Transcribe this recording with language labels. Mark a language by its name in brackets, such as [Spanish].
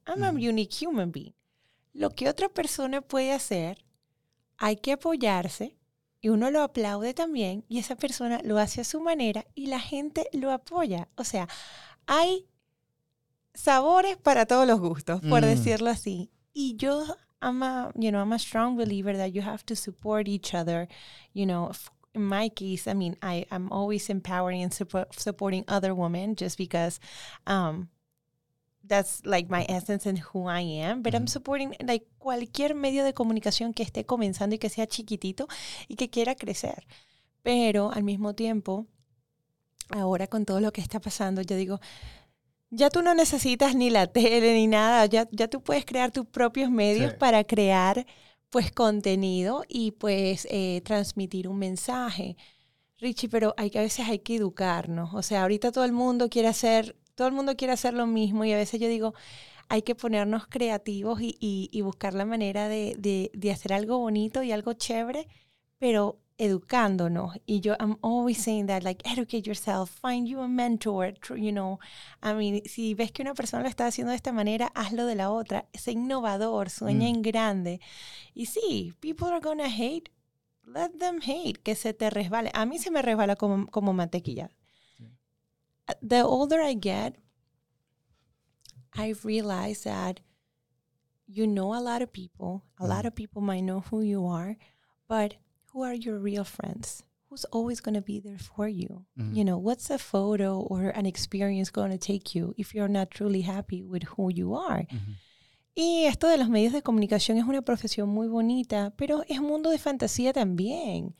[English] I'm a unique human being. [Spanish] Lo que otra persona puede hacer, hay que apoyarse. Y uno lo aplaude también y esa persona lo hace a su manera y la gente lo apoya. O sea, hay sabores para todos los gustos, por decirlo así. Y yo, [English] I'm a strong believer that you have to support each other. You know, in my case, I'm always empowering and supporting other women just because that's like my essence and who I am, but I'm supporting like [Spanish] cualquier medio de comunicación que esté comenzando y que sea chiquitito y que quiera crecer. Pero al mismo tiempo, ahora con todo lo que está pasando, yo digo, ya tú no necesitas ni la tele ni nada, ya tú puedes crear tus propios medios sí. para crear pues contenido y pues transmitir un mensaje. Richie, pero a veces hay que educarnos. O sea, ahorita todo el mundo quiere hacer lo mismo y a veces yo digo, hay que ponernos creativos y buscar la manera de hacer algo bonito y algo chévere, pero educándonos. Y yo, [English] I'm always saying that, like, educate yourself, find you a mentor, you know. [Spanish] I mean, si ves que una persona lo está haciendo de esta manera, hazlo de la otra. Sé innovador, sueña en grande. Y sí, [English] people are gonna hate, let them hate, [Spanish] que se te resbale. A mí se me resbala como mantequilla. [English] The older I get, I realize that you know a lot of people. A lot of people might know who you are, but who are your real friends? Who's always going to be there for you? Mm-hmm. You know, what's a photo or an experience going to take you if you're not truly happy with who you are? Mm-hmm. [Spanish] Y esto de los medios de comunicación es una profesión muy bonita, pero es un mundo de fantasía también.